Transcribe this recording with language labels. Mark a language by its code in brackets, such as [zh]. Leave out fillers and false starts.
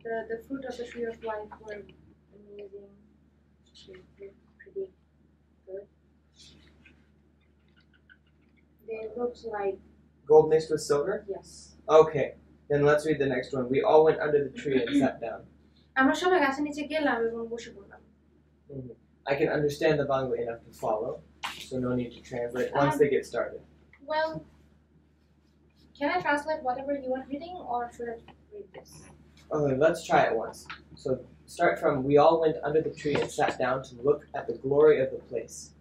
[en] The fruit of the tree of life were amazing, pretty good. They looked like gold mixed with silver? Yes. Okay, then let's read the next one. We all went under the tree and sat down. [bn] আমরা সবাই গাছের নিচে গেলাম এবং বসে পড়লাম [en] I can understand the Bangla enough to follow so no need to translate once they get started Well can I translate whatever you are reading or should I read this Okay let's try it once So start from we all went under the tree and sat down to look at the glory of the place